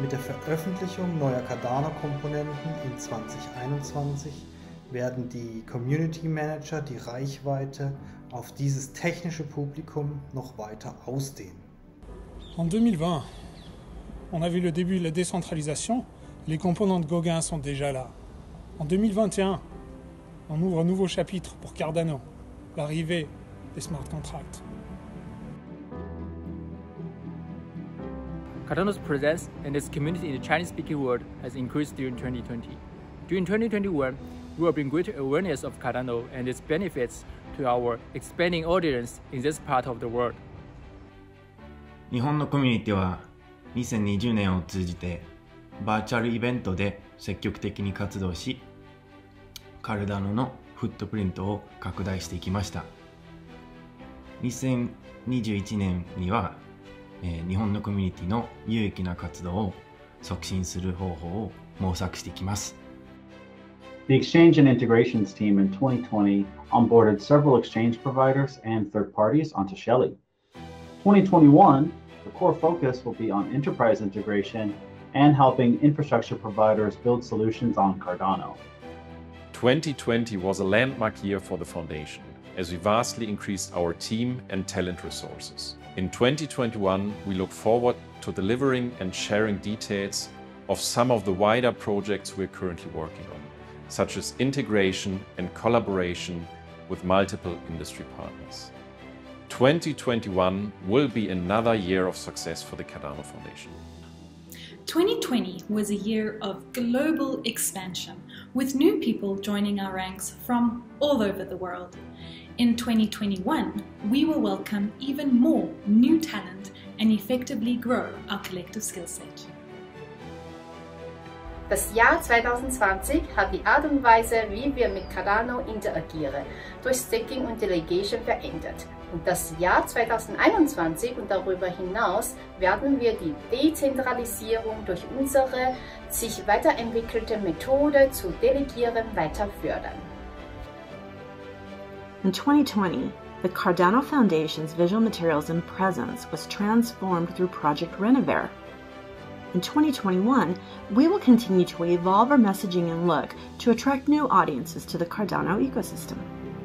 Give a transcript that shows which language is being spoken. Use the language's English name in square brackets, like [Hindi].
[German] Mit der Veröffentlichung neuer Cardano Komponenten in 2021 werden die Community Manager die Reichweite auf dieses technische Publikum noch weiter ausdehnen. [French] En 2020, on a vu le début de la décentralisation, les composants de Gauguin sont déjà là. En 2021, on ouvre un nouveau chapitre pour Cardano, l'arrivée des smart contracts. [English] Cardano's presence and its community in the Chinese-speaking world has increased during 2020. During 2021, we will bring greater awareness of Cardano and its benefits to our expanding audience in this part of the world. [Japanese] 日本のコミュニティは 2020年を通じて バーチャルイベントで積極的に活動し、カルダノのフットプリントを拡大していきました。2021年には、日本のコミュニティの有益な活動を促進する方法を模索していきます。 [English] The Exchange and Integrations team in 2020 onboarded several exchange providers and third parties onto Shelley. 2021, the core focus will be on enterprise integration and helping infrastructure providers build solutions on Cardano. 2020 was a landmark year for the foundation as we vastly increased our team and talent resources. In 2021, we look forward to delivering and sharing details of some of the wider projects we're currently working on, such as integration and collaboration with multiple industry partners. 2021 will be another year of success for the Cardano Foundation. 2020 was a year of global expansion, with new people joining our ranks from all over the world. In 2021, we will welcome even more new talent and effectively grow our collective skill set. [German] Das Jahr 2020 hat die Art und Weise, wie wir mit Cardano interagieren, durch Staking und Delegation verändert. Und das Jahr 2021 und darüber hinaus werden wir die Dezentralisierung durch unsere sich weiterentwickelte Methode zu delegieren weiter fördern. [English] In 2020, the Cardano Foundation's visual materials and presence was transformed through Project Renovare. In 2021, we will continue to evolve our messaging and look to attract new audiences to the Cardano ecosystem.